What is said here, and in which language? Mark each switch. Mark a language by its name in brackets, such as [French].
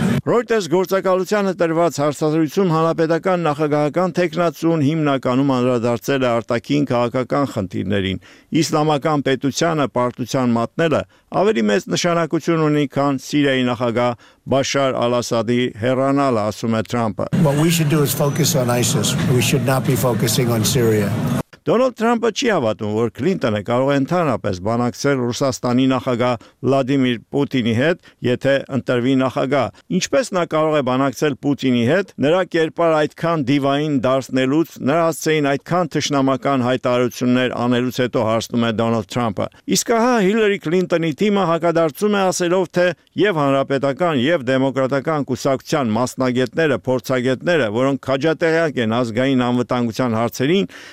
[Armenian] Ռոյտերս գործակալությանը տրված հարցազրույցում հանրապետական նախագահական թեկնածուն հիմնականում անդրադարձել է արտաքին քաղաքական խնդիրներին, իսլամական պետությանը պարտության մատնելը ավելի մեծ նշանակություն ունի, քան Սիրիայի նախագահ Բաշար Ալ-Ասադի հեռանալը, ասում է Թրամփը։ [English] What we should do is focus on ISIS. We should not be focusing on Syria. [Armenian] Դոնալդ Թրամփը չի հավատում, որ Քլինտոնը կարող է ընդհանրապես բանակցել Ռուսաստանի նախագահ Վլադիմիր Պուտինի հետ, եթե ընտրվի նախագահ։ Ինչպես նա կարող է բանակցել Պուտինի հետ, նրա կերպար այդքան դիվային դարձնելուց, նրա ասցեին այդքան թշնամական հայտարարություններ անելուց հետո, հարցնում է Դոնալդ Թրամփը։ Իսկ ահա Հիլարի Քլինտոնի թիմը հակադարձում է, ասելով, թե և հանրապետական, և դեմոկրատական կուսակցության մասնագետները, փորձագետները, որոնք քաջատեղյակ են ազգային անվտանգության հարցերին,